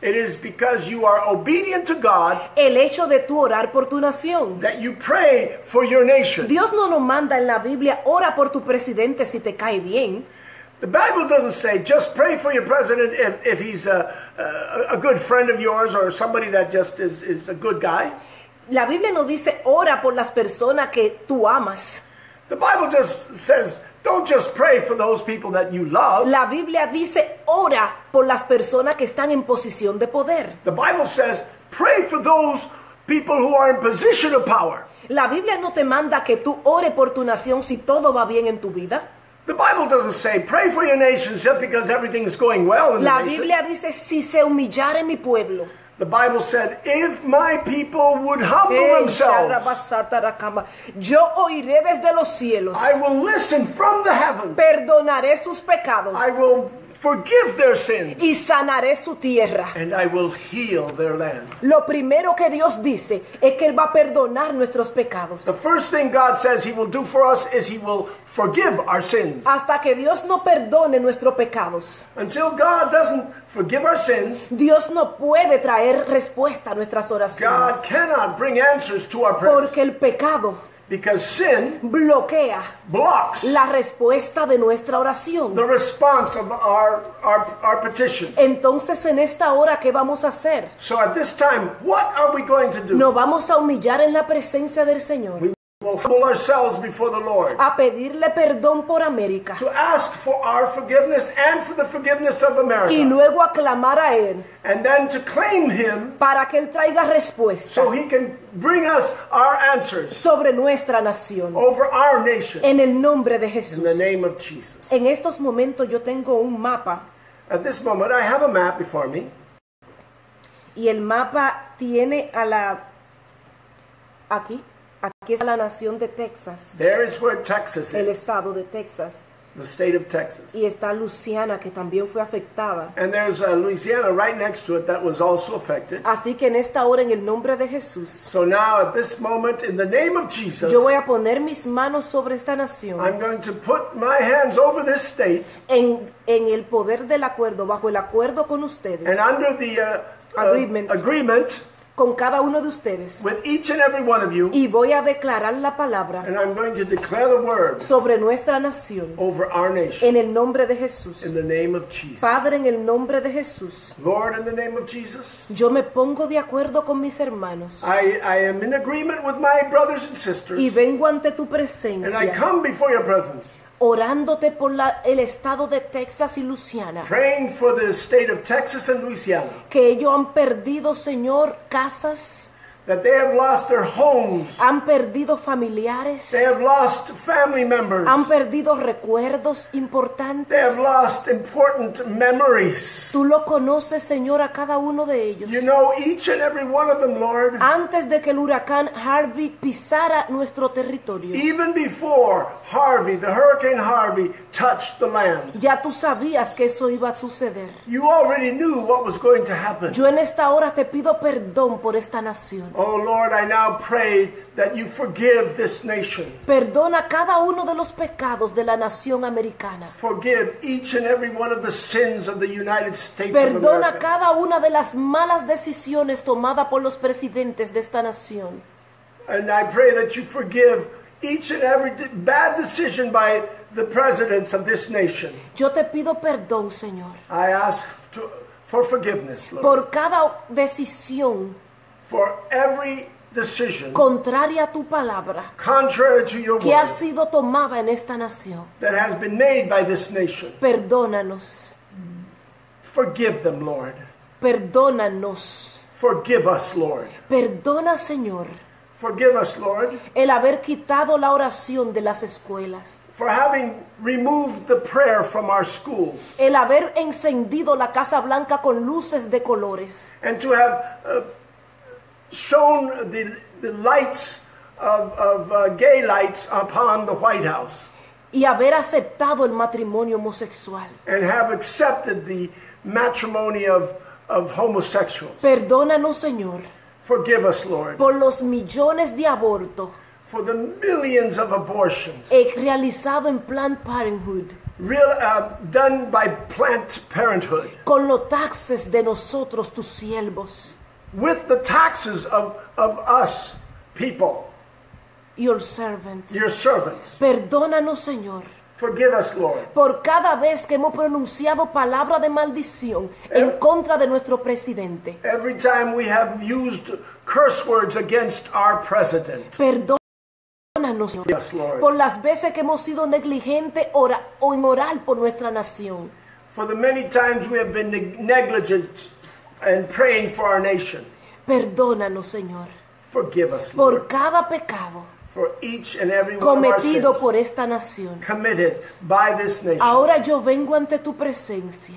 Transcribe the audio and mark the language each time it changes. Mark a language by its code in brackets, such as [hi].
[en] It is because you are obedient to God. [es] El hecho de tú orar por tu nación. [en] That you pray for your nation. [es] Dios no nos manda en la Biblia, ora por tu presidente si te cae bien. [en] The Bible doesn't say just pray for your president if he's a good friend of yours or somebody that just is a good guy. [es] La Biblia no dice ora por las personas que tú amas. [en] The Bible just says don't just pray for those people that you love. [es] La Biblia dice, ora por las personas que están en posición de poder. [en] The Bible says, pray for those people who are in position of power. [es] La Biblia no te manda que tú ore por tu nación si todo va bien en tu vida. [en] The Bible doesn't say, pray for your nation just because everything is going well in the nation. [es] La Biblia dice, si se humillare mi pueblo. [en] The Bible said, if my people would humble themselves, [es] yo oiré desde los cielos. [en] I will listen from the heavens. [es] Perdonaré sus pecados. [en] I will forgive their sins. [es] Y sanaré su tierra. [en] And I will heal their land. [es] Lo primero que Dios dice es que Él va a perdonar nuestros pecados. [en] The first thing God says He will do for us is He will forgive our sins. [es] Hasta que Dios no perdone nuestros pecados. [en] Until God doesn't forgive our sins. [es] Dios no puede traer respuesta a nuestras oraciones. [en] God cannot bring answers to our prayers. [es] Porque el pecado. [en] Because sin [es] bloquea [en] blocks [es] la respuesta de nuestra oración. [en] The response of our petitions. [es] Entonces en esta hora, ¿qué vamos a hacer? [en] So at this time, what are we going to do? [es] Nos vamos a humillar en la presencia del Señor. [en] We will humble ourselves before the Lord. [es] A pedirle perdón por América. [en] To ask for our forgiveness and for the forgiveness of America. [es] Y luego a clamar a Él. [en] And then to claim Him. [es] Para que Él traiga respuesta. [en] So He can bring us our answers. [es] Sobre nuestra nación. [en] Over our nation. [es] En el nombre de Jesús. [en] In the name of Jesus. [es] En estos momentos yo tengo un mapa. [en] At this moment I have a map before me. [es] Y el mapa tiene a la... Aquí. Aquí está la nación de Texas. [en] There is where Texas is. [es] El estado de Texas. [en] The state of Texas. [es] Y está Luisiana, que también fue afectada. [en] And there's a Louisiana right next to it that was also affected. [es] Así que en esta hora, en el nombre de Jesús. [en] So now, at this moment, in the name of Jesus. [es] Yo voy a poner mis manos sobre esta nación. [en] I'm going to put my hands over this state. [es] En el poder del acuerdo, bajo el acuerdo con ustedes. [en] And under the agreement. [es] con cada uno de ustedes. [en] With each and every one of you. [es] Y voy a declarar la palabra. [en] And I'm going to declare the word. [es] Sobre nuestra nación. [en] Over our nation. [es] En el nombre de Jesús. [en] In the name of Jesus. [es] Padre, en el nombre de Jesús. [en] Lord, in the name of Jesus. [es] Yo me pongo de acuerdo con mis hermanos. [en] I am in agreement with my brothers and sisters. [es] Y vengo ante tu presencia. [en] And I come before your presence. [es] Orándote por el estado de Texas y Luisiana. [en] Praying for the state of Texas and Louisiana. [es] Que ellos han perdido, Señor, casas. [en] That they have lost their homes. [es] Han perdido familiares. [en] They have lost family members. [es] Han perdido recuerdos importantes. [en] They have lost important memories. [es] Tú lo conoces, Señor, a cada uno de ellos. [en] You know each and every one of them, Lord. [es] Antes de que el huracán Harvey pisara nuestro territorio. [en] Even before Harvey, the Hurricane Harvey, touched the land. [es] Ya tú sabías que eso iba a suceder. [en] You already knew what was going to happen. [es] Yo en esta hora te pido perdón por esta nación. [en] Oh Lord, I now pray that you forgive this nation. [es] Perdona cada uno de los pecados de la nación americana. [en] Forgive each and every one of the sins of the United States of America. [es] Perdona cada una de las malas decisiones tomadas por los presidentes de esta nación. [en] And I pray that you forgive each and every bad decision by the presidents of this nation. [es] Yo te pido perdón, Señor. [en] I ask for forgiveness, Lord. [es] Por cada decisión. [en] For every decision [es] contraria a tu palabra, [en] contrary to your word, [es] que ha sido tomada en esta nación, [en] that has been made by this nation, [es] perdónanos. [en] Forgive them, Lord. [es] Perdónanos. [en] Forgive us, Lord. [es] Perdona, Señor. [en] Forgive us, Lord. [es] El haber quitado la oración de las escuelas. [en] For having removed the prayer from our schools. [es] El haber encendido la Casa Blanca con luces de colores. [en] And to have shown the lights of gay lights upon the White House. [es] Y haber aceptado el matrimonio homosexual. [en] And have accepted the matrimony of homosexuals. [es] Perdónanos, Señor. [en] Forgive us, Lord. [es] Por los millones de abortos. [en] For the millions of abortions. [es] He realizado en Planned Parenthood. [en] Done by Planned Parenthood. [es] Con los taxes de nosotros, tus siervos. [en] With the taxes of us people. Your servants. Your servants. [es] Perdónanos, Señor. [en] Forgive us, Lord. [es] Por cada vez que hemos pronunciado palabra de maldición en contra de nuestro presidente. [en] Every time we have used curse words against our president. [es] Perdónanos, Señor. [en] Forgive us, Lord. [es] Por las veces que hemos sido negligente o inmoral por nuestra nación. [en] For the many times we have been negligent. And praying for our nation. [es] Perdónanos, Señor. [en] Forgive us, Lord. [es] Por cada pecado. [en] For each and every one [es] cometido [en] of our [es] por esta nación. [en] Committed by this nation. [es] Ahora yo vengo ante tu presencia.